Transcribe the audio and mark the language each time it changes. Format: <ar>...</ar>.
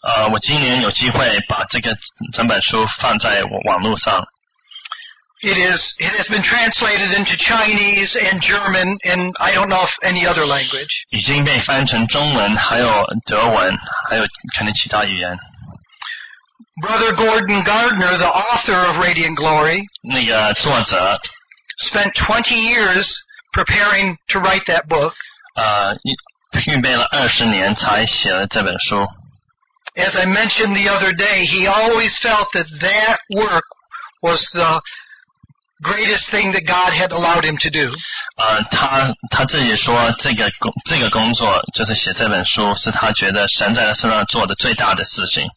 <zh>我今年有机会把这个整本书放在网络上。</zh> <en>It has been translated into Chinese and German, and I don't know if any other language.</en> <zh>已经被翻成中文，还有德文，还有可能其他语言。</zh> <en>Brother Gordon Gardner, the author of Radiant Glory,</en> <zh>那个作者</zh> <en>spent 20 years preparing to write that book.</en> <zh>预备了20年才写了这本书。</zh> <en>As I mentioned the other day, he always felt that work was the greatest thing that God had allowed him to do.</en> <zh>他自己说这个工作就是写这本书是他觉得神在他身上做的最大的事情。</zh>